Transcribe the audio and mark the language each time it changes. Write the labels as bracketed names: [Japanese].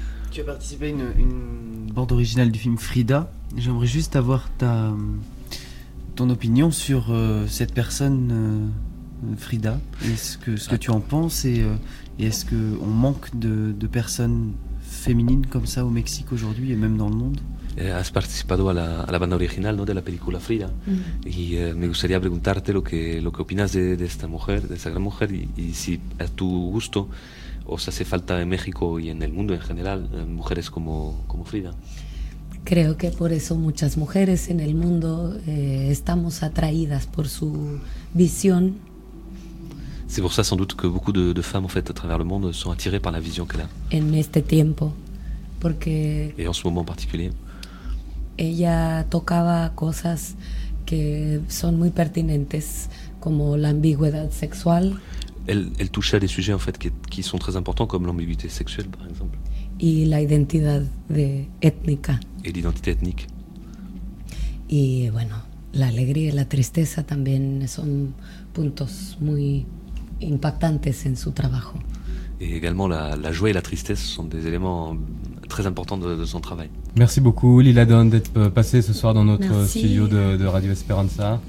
[French] Tu as participé à une bande originale du film Frida. J'aimerais juste avoir ton opinion sur cette personne, Frida. Est-ce que tu en penses et est-ce qu'on manque de personnes féminines comme ça au Mexique aujourd'hui et même dans le monde? [Spanish] Has participado a la banda original, ¿no?, de la película Frida. Mm-hmm. Y me gustaría preguntarte lo que opinas de esta mujer, de esa gran mujer, y si a tu gusto os hace falta en México y en el mundo en general mujeres como Frida. Creo que por eso muchas mujeres en el mundo estamos atraídas por su visión. [French] C'est pour ça sans doute que beaucoup de femmes en fait à travers le monde sont attirées par la vision qu'elle a. [Spanish] En este tiempo, porque. [French] Et en ce moment en particulier. [Spanish] Ella tocaba cosas que son muy pertinentes, como la ambigüedad sexual. [French] Elle touchait à des sujets en fait qui sont très importants, comme l'ambiguïté sexuelle, par exemple. [Spanish] Y la identidad étnica. [French] Et l'identité ethnique. [Spanish] Y bueno, la alegría y la tristeza también son puntos muy impactantes en su trabajo. [French] Et également la joie et la tristesse sont des éléments très importants de son travail. Merci beaucoup, Lila Don, d'être passée ce soir dans notre studio de Radio Esperanza.